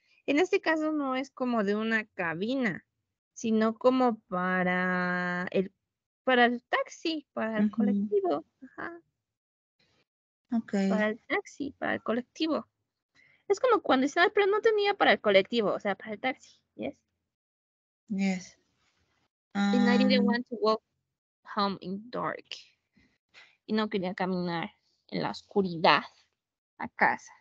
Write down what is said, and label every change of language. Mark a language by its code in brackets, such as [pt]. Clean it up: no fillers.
[es] En este caso no es como de una cabina, sino como para el taxi, para el colectivo. Ajá. [en] Okay. [es] Para el taxi, para el colectivo. Es como cuando decían, pero no tenía para el colectivo, o sea, para el taxi, yes. [en] Yes. And I didn't want to walk home in dark. [es] Y no quería caminar en la oscuridad a casa.